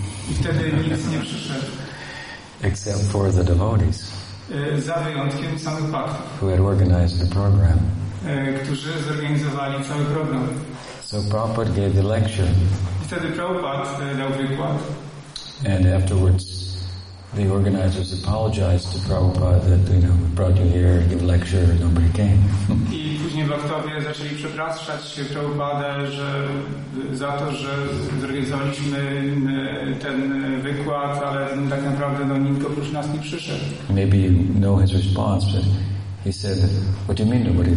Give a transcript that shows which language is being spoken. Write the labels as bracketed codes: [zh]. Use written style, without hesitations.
[pl] I wtedy nic nie przyszedł. [en] Except for the devotees. [pl] Za wyjątkiem samych bhaktów. [en] Who had organized the program. [pl] Którzy zorganizowali cały program. [en] So Prabhupada gave the lecture. [pl] Wtedy Prabhupada dał wykład. [en] And afterwards the organizers apologized to Prabhupada that, you know, we brought you here and give a lecture and nobody came. [pl] I później bhaktowie zaczęli przepraszać się Prabhupada, że za to, że zorganizowaliśmy ten wykład, ale tak naprawdę no, nikt oprócz nas nie przyszedł. [en] Maybe you know his response, but he said, what do you mean nobody?